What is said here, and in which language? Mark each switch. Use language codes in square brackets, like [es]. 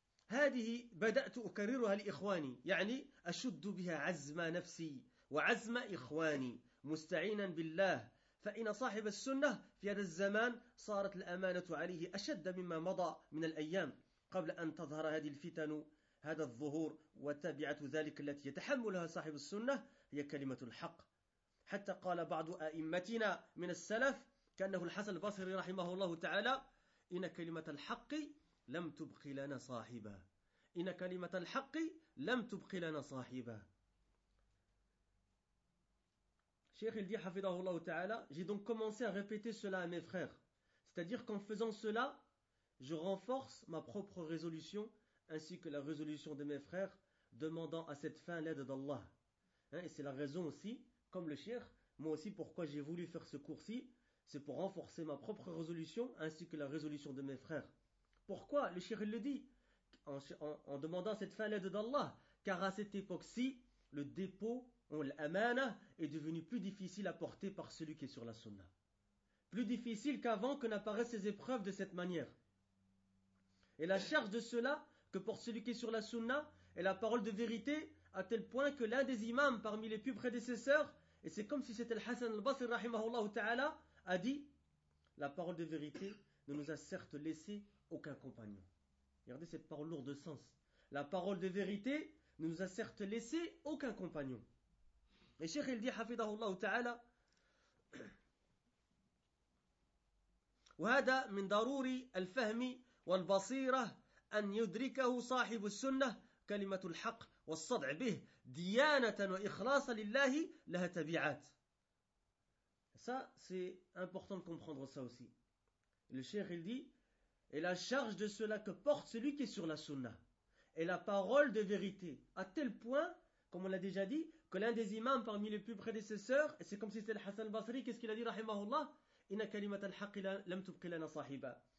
[ar] هذه بدأت أكررها لإخواني يعني أشد بها عزم نفسي وعزم إخواني مستعينا بالله، فإن صاحب السنة في هذا الزمان صارت الأمانة عليه أشد مما مضى من الأيام قبل أن تظهر هذه الفتن هذا الظهور، وتابعة ذلك التي يتحملها صاحب السنة هي كلمة الحق، حتى قال بعض أئمتنا من السلف كأنه الحسن البصري رحمه الله تعالى إن كلمة الحق لم تبق لنا صاحبا، إن كلمة الحق لم تبق لنا صاحبا. شيخ الدين حفظه الله تعالى، [fr] j'ai donc commencé à répéter cela à mes frères. C'est-à-dire qu'en faisant cela, je renforce ma propre résolution ainsi que la résolution de mes frères, demandant à cette fin l'aide d'Allah. Hein, et c'est la raison aussi, comme le cheikh, moi aussi pourquoi j'ai voulu faire ce cours-ci, c'est pour renforcer ma propre résolution ainsi que la résolution de mes frères. Pourquoi le cheikh le dit en demandant cette fin l'aide d'Allah? Car à cette époque-ci, le dépôt, l'amana, est devenu plus difficile à porter par celui qui est sur la sunna. Plus difficile qu'avant que n'apparaissent ces épreuves de cette manière. Et la charge de cela que porte celui qui est sur la sunna est la parole de vérité, à tel point que l'un des imams parmi les plus prédécesseurs, et c'est comme si c'était le Hassan al-Basri rahimahullah ta'ala, a dit: la parole de vérité ne nous a certes laissé aucun compagnon. Regardez cette parole lourde de sens. La parole de vérité ne nous a certes laissé aucun compagnon. Et Cheikh il dit, [ar] hafidahullah ta'ala, وهذا من ضروري الفهم والبصيرة أن يدركه صاحب السنة كلمة الحق والصدع به ديانة وإخلاص لله لها تبعات. [fr] Ça, c'est important de comprendre ça aussi. Le cheikh il dit, et la charge de cela que porte celui qui est sur la sunna est la parole de vérité, à tel point, comme on l'a déjà dit, que l'un des imams parmi les plus prédécesseurs, et c'est comme si c'était le Hassan al-Basri, qu'est-ce qu'il a dit, rahimahullah, [ar] إن كلمة الحق لم تبق لنا صاحبا.